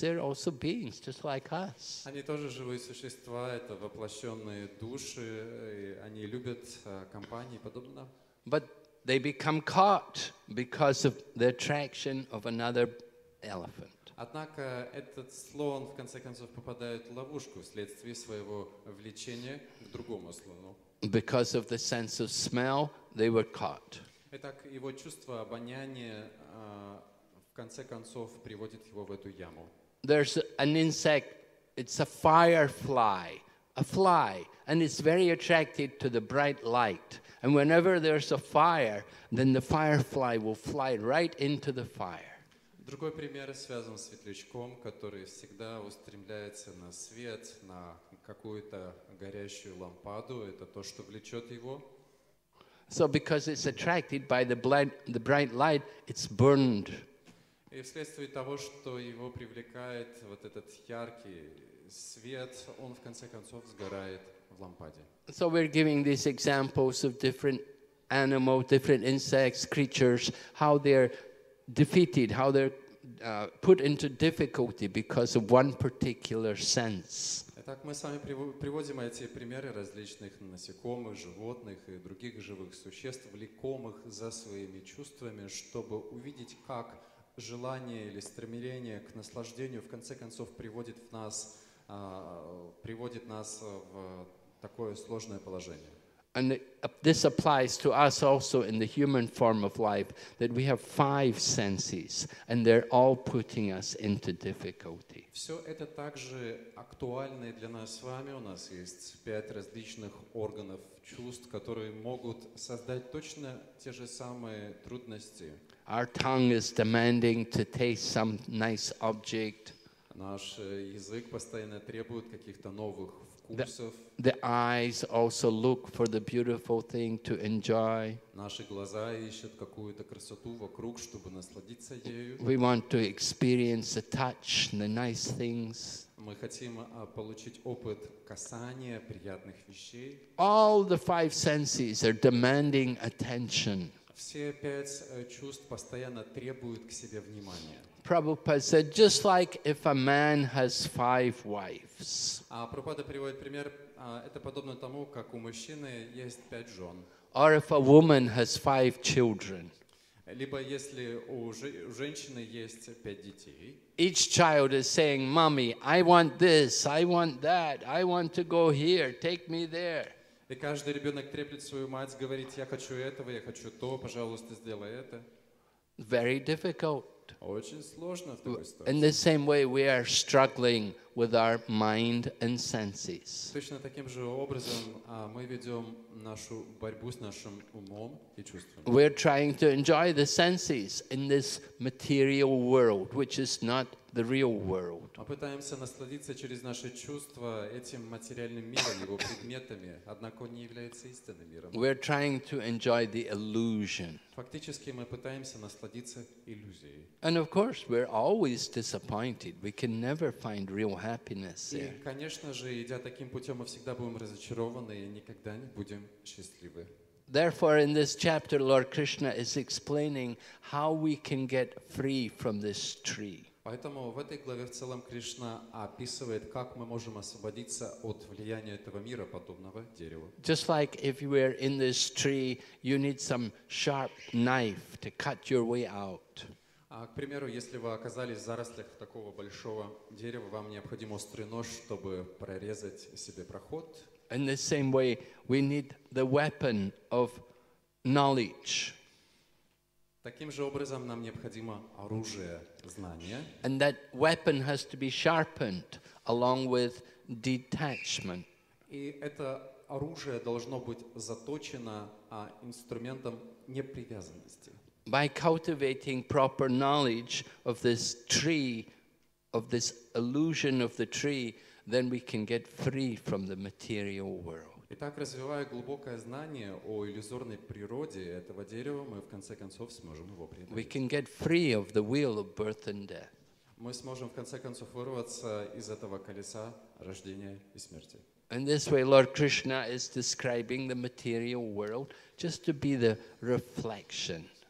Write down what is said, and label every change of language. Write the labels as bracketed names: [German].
[English] They're also beings, just like us. [Russian] Они тоже живые существа, это воплощенные души, и они любят компании, подобно. [English] But they become caught because of the attraction of another elephant. [Russian] Однако этот слон в конце концов попадает в ловушку вследствие своего влечения к другому слону. [English] Because of the sense of smell, they were caught. [Russian] Итак, его чувство обоняния в конце концов приводит его в эту яму. [English] There's an insect. It's a firefly, a fly, and it's very attracted to the bright light. And whenever there's a fire, then the firefly will fly right into the fire. [Russian] Другой пример связан с светлячком, который всегда устремляется на свет, на какую-то горящую лампаду. Это то, что влечет его. [English] So because it's attracted by the bright light, it's burned. [Russian] И вследствие того, что его привлекает вот этот яркий свет, он в конце концов сгорает в лампаде. [English] So we're giving these examples of different animals, different insects, creatures, how they're defeated, how they're put into difficulty because of one particular sense. [Russian] Итак, мы с вами приводим эти примеры различных насекомых, животных и других живых существ, влекомых за своими чувствами, чтобы увидеть, как желание или стремление к наслаждению в конце концов приводит нас в такое сложное положение. [English] And this applies to us also in the human form of life, that we have five senses, and they're all putting us into difficulty. [Russian] Все это также актуально для нас с вами. У нас есть пять различных органов чувств, которые могут создать точно те же самые трудности. [English] Our tongue is demanding to taste some nice object. [Russian] Наш язык постоянно требует каких-то новых вкусов. [English] The eyes also look for the beautiful thing to enjoy. [Russian] Наши глаза ищут какую-то красоту вокруг, чтобы насладиться ею. [English] We want to experience the touch, the nice things. [Russian] Мы хотим получить опыт касания приятных вещей. [English] All the five senses are demanding attention. [Russian] Все пять чувств постоянно требуют к себе внимания. [English] Prabhupada said, just like if a man has five wives. [Russian] Prabhupada приводит пример. Это подобно тому, как у мужчины есть пять жен. [English] Or if a woman has five children. [Russian] Либо если у женщины есть пять детей. [English] Each child is saying, "Mommy, I want this, I want that, I want to go here, take me there." [Russian] И каждый ребенок треплет свою мать, говорит, я хочу этого, я хочу то, пожалуйста, сделай это. [English] Very difficult. [Russian] Очень сложно в такой ситуации. [English] In the same way, we are struggling with our mind and senses. [Russian] Точно таким же образом мы ведем нашу борьбу с нашим умом и чувствами. [English] We are trying to enjoy the senses in this material world, which is not the real world. [Russian] Мы пытаемся насладиться через наши чувства этим материальным миром, его предметами, однако он не является истинным миром. [English] We are trying to enjoy the illusion. [Russian] Фактически мы пытаемся насладиться иллюзией. [English] And of course, we're always disappointed. We can never find real happiness there. [Russian] И, конечно же, идя таким путем, мы всегда будем разочарованы и никогда не будем счастливы. [English] Therefore, in this chapter, Lord Krishna is explaining how we can get free from this tree. [Russian] Поэтому в этой главе в целом Кришна описывает, как мы можем освободиться от влияния этого мира, подобного дереву. [English] Just like if you were in this tree, you need some sharp knife to cut your way out. [Russian] К примеру, если вы оказались в зарослях такого большого дерева, вам необходим острый нож, чтобы прорезать себе проход. [English] In the same way, we need the weapon of knowledge. [Russian] Таким же образом нам необходимо оружие знания. [English] And that weapon has to be sharpened along with detachment. [Russian] И это оружие должно быть заточено инструментом непривязанности. [English] By cultivating proper knowledge of this tree, of this illusion of the tree, then we can get free from the material world. [Russian] Итак, развивая глубокое знание о иллюзорной природе этого дерева, мы в конце концов сможем его преодолеть. [English] We can get free of the wheel of birth and death. [Russian] Мы сможем в конце концов вырваться из этого колеса рождения и смерти. [English] In this way, Lord Krishna is describing the material world just to be the reflection.